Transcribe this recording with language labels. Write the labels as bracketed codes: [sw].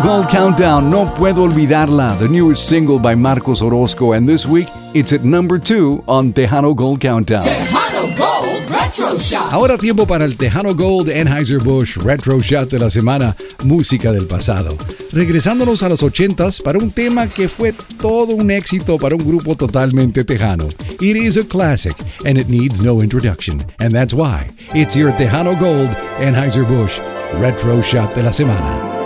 [en] Countdown, No Puedo Olvidarla, the newest single by Marcos Orozco, and this week it's at number 2 on Tejano Gold Countdown. Tejano Gold Retro Shot. [es] Ahora tiempo para el Tejano Gold Anheuser-Busch Retro Shot de la semana, música del pasado. Regresándonos a los 80s para un tema que fue todo un éxito para un grupo totalmente tejano. [en] It is a classic and it needs no introduction, and that's why it's your Tejano Gold Anheuser-Busch Retro Shot [es] de la semana.